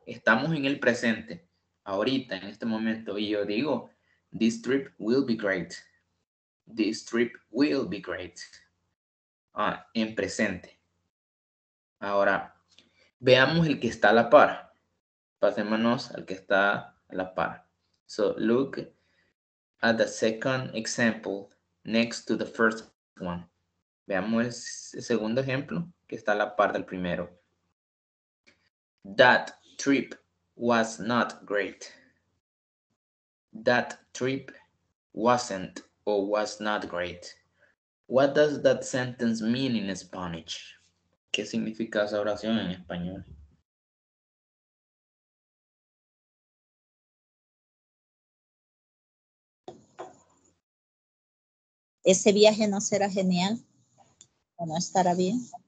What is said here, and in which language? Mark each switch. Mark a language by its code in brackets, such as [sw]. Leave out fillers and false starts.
[es] Estamos en el presente, ahorita, en este momento. Y yo digo, [en] this trip will be great. This trip will be great. [es] Ah, en presente. Ahora, veamos el que está a la par. Pasémonos al que está a la par. [en] So, look at the second example. Next to the first one. [es] Veamos el segundo ejemplo que está a la par del primero. [en] That trip was not great. That trip wasn't or was not great. What does that sentence mean in Spanish? [es] ¿Qué significa esa oración en español? ¿Ese viaje no será genial o no estará bien?